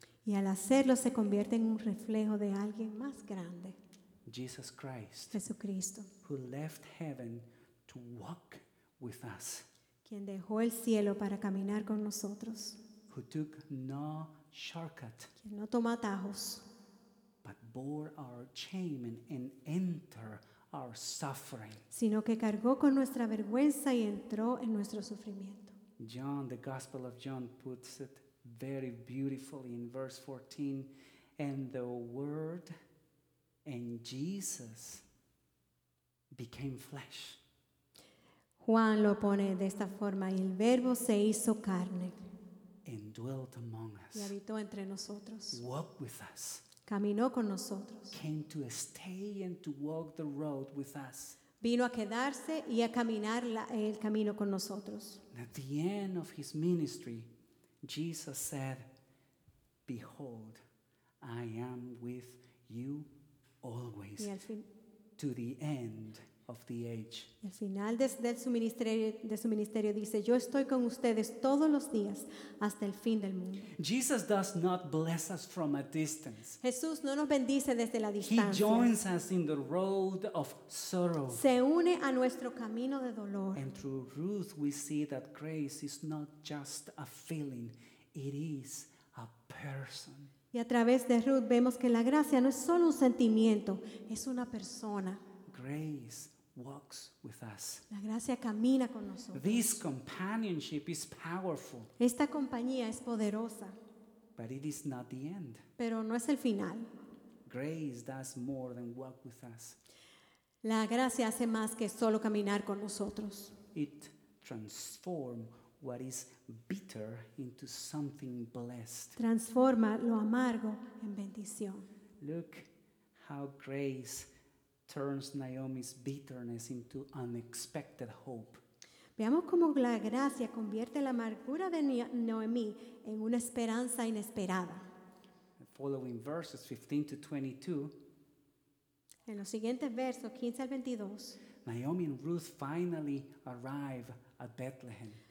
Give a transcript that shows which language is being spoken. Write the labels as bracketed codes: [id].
[es] Y al hacerlo se convierte en un reflejo de alguien más grande. [en] Jesus Christ. [es] Jesucristo. [en] Who left heaven to walk with us. [es] Quien dejó el cielo para caminar con nosotros. [en] Who took no shortcut. [es] Quien no tomó atajos. [en] But bore our shame and entered our suffering. [es] Sino que cargó con nuestra vergüenza y entró en nuestro sufrimiento. [en] John, the Gospel of John, puts it very beautifully in verse 14. And the Word and Jesus became flesh. [es] Juan lo pone de esta forma. Y el Verbo se hizo carne. [en] and dwelt among us. [es] Y habitó entre nosotros. [en] Walk with us. [es] Caminó con nosotros. [en] Came to stay and to walk the road with us. [es] Vino a quedarse y a caminar el camino con nosotros. [en] At the end of his ministry, Jesus said, "Behold, I am with you always, to the end of the age." [es] Al final de su ministerio dice, "Yo estoy con ustedes todos los días hasta el fin del mundo." [en] Jesus does not bless us from a distance. [es] Jesús no nos bendice desde la distancia. [en] He joins us in the road of sorrow. [es] Se une a nuestro camino de dolor. [en] And through Ruth we see that grace is not just a feeling, it is a person. [es] Y a través de Ruth vemos que la gracia no es solo un sentimiento, es una persona. [en] Grace walks with us. [es] La gracia camina con nosotros. [en] This companionship is powerful. [es] Esta compañía es poderosa. [en] But it is not the end. [es] Pero no es el final. [en] Grace does more than walk with us. [es] La gracia hace más que solo caminar con nosotros. [en] It transforms what is bitter into something blessed. [es] Transforma lo amargo en bendición. [en] Look how grace turns Naomi's bitterness into unexpected hope. [es] Veamos cómo la gracia convierte la amargura de Noemí en una esperanza inesperada. [en] The following verses 15 to 22. [es] En los siguientes versos 15 al 22. [en] Naomi and Ruth finally arrive at Bethlehem.